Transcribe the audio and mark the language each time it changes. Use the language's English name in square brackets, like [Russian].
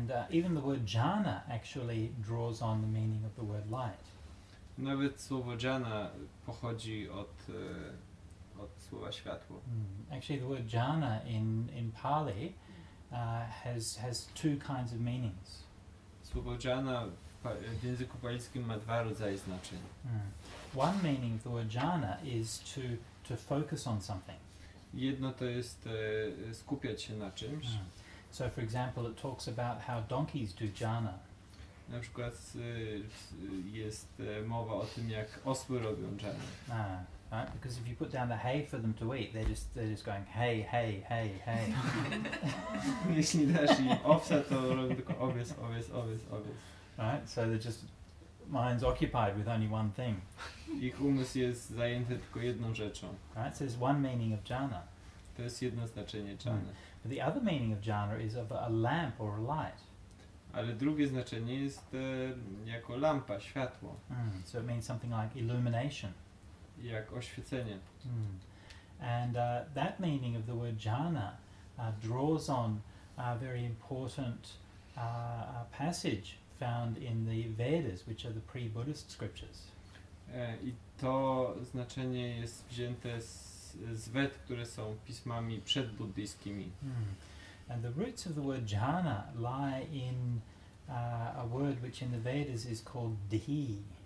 [English] Even the word jhana actually draws on the meaning of the word light. [Polish] Nawet słowo jhana pochodzi od słowa światło. [English] Actually, the word jhana in Pali has two kinds of meanings. [Polish] Słowo jhana w języku palińskim ma dwa rodzaje znaczeń. [English] One meaning of the word jhana is to focus on something. [Polish] Jedno to jest skupiać się na czymś. [English] So for example, it talks about how donkeys do jhana. [Polish] Na przykład jest mowa o tym, jak osły robią jhana. [English] Right? Because if you put down the hay for them to eat, they're just going hey, hey, hey, hey. [Polish] Jeśli dasz im owsa, to robią tylko owies, owies, owies, owies. [English] Right? So they're just minds occupied with only one thing. [Polish] Ich umysł jest zajęty tylko jedną rzeczą. [English] Right? So there's one meaning of jhana. [Polish] To jest jedno znaczenie jhana. [English] But the other meaning of jhana is of a lamp or a light. [Polish] Ale drugie znaczenie jest jako lampa, światło. [English] So it means something like illumination. [Polish] Jak oświecenie. [English] And that meaning of the word jhana draws on a very important passage found in the Vedas, which are the pre-Buddhist scriptures. [Polish] I to znaczenie jest wzięte z Ved, które są pismami przedbuddyjskimi. [English] And the roots of the word jhana lie in a word which in the Vedas is called dhi.